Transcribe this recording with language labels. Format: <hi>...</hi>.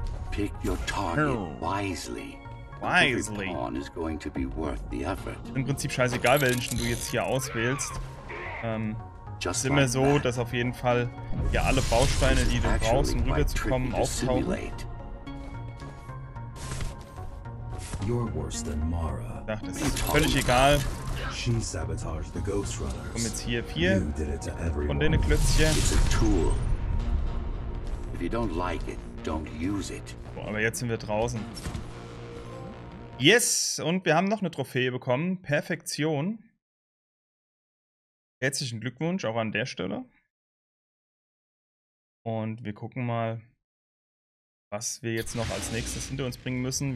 <en>Pick your target wisely. Wisely. Is going to be worth the effort.</en> <de>Im Prinzip scheißegal, welchen du jetzt hier auswählst. Es ist immer so, dass auf jeden Fall hier alle Bausteine, die du brauchst, um rüberzukommen, auftauchen.</de> <en>You're worse than Mara.</en> <de>Ach, das ist völlig egal.</de> <en>She sabotaged the Ghost Runners.</en> <de>Komm jetzt hier 4.</de> <en>You did it to everyone.</en> <de>Von denen Klötzchen.</de> <en>It's a tool. If you don't like it, don't use it.</en> <de>Boah, aber jetzt sind wir draußen. Yes, und wir haben noch eine Trophäe bekommen. Perfektion. Herzlichen Glückwunsch auch an der Stelle. Und wir gucken mal, was wir jetzt noch als nächstes hinter uns bringen müssen.</de>